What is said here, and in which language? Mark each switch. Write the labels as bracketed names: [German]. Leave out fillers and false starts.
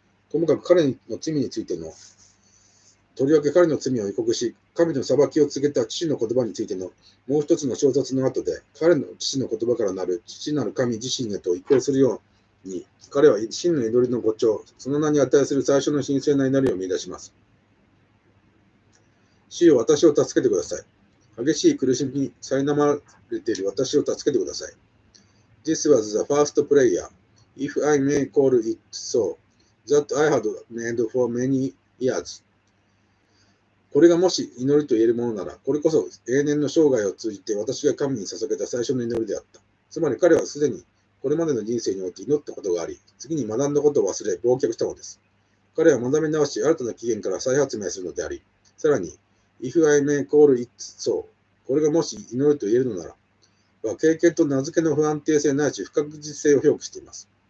[Japanese] ともかく彼の罪についての、とりわけ彼の罪を予告し、神の裁きを告げた父の言葉についてのもう一つの小説の後で、彼の父の言葉からなる父なる神自身へと移行するように、彼は真の祈りの語調、その名に値する最初の神聖な祈りを見出します。主よ、私を助けてください。激しい苦しみに苛まれている私を助けてください。 [English] This was the first prayer, if I may call it so, that I had made for many years. [Japanese] これがもし祈りと言えるものなら、これこそ永年の生涯を通じて私が神に捧げた最初の祈りであった。つまり彼はすでにこれまでの人生において祈ったことがあり、次に学んだことを忘れ、忘却したのです。彼は学び直し、新たな起源から再発明するのであり、さらに、 If I may call it so、これがもし祈りと言えるのなら、は経験と名付けの不安定性ないし不確実性を表記しています。